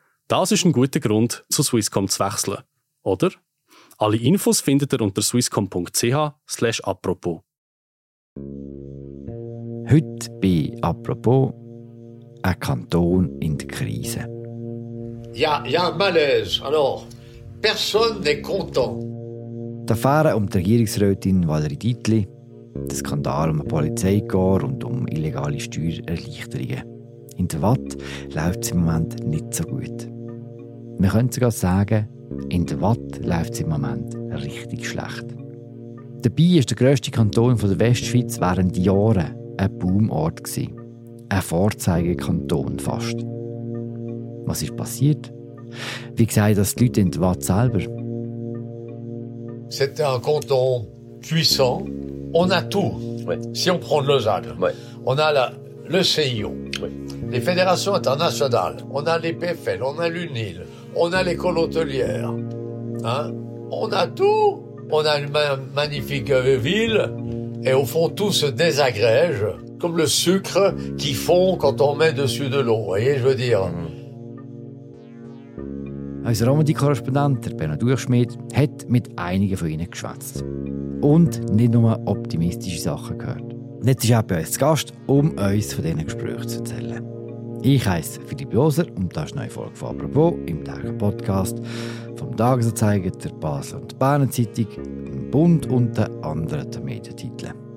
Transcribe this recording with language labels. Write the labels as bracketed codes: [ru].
[de] Das ist ein guter Grund, zu Swisscom zu wechseln, oder? Alle Infos findet ihr unter swisscom.ch/apropos. Heute bei «Apropos» ein Kanton in der Krise. Ja, ja, Malaise. [fr] Alors, personne n'est content. [de] Die Affäre um die Regierungsrätin Valérie Deitli, der Skandal um den Polizeikorps und um illegale Steuererleichterungen. In der Watt läuft es im Moment nicht so gut. Wir können sogar sagen, in der Watt läuft es im Moment richtig schlecht. Dabei war der grösste Kanton der Westschweiz während Jahren ein Boomort. Ein Vorzeigekanton fast. Was ist passiert? Wie sehen das die Leute in der Watt selber? [fr] C'était un canton puissant. On a tout. Oui. Si on prend Lausanne, oui. On a le CIO, oui. Les Fédérations internationales, on a les PFL, on a l'UNIL, on a l'école hôtelière. Hein? On a tout. On a une magnifique ville et au fond tout se désagrège comme le sucre qui fond quand on met dessus de l'eau. Voyez, je veux dire. [de] Unser Romandie-Korrespondent, Bernhard Durchschmidt, hat mit einigen von ihnen geschwätzt und nicht nur optimistische Sachen gehört. Jetzt ist er bei uns zu Gast, um uns von diesen Gesprächen zu erzählen. Ich heiße Philipp Joser und das ist eine neue Folge von «Apropos» im Tag-Podcast vom Tagesanzeiger, der Basel- und Berner Zeitung, dem Bund und den anderen Medientiteln.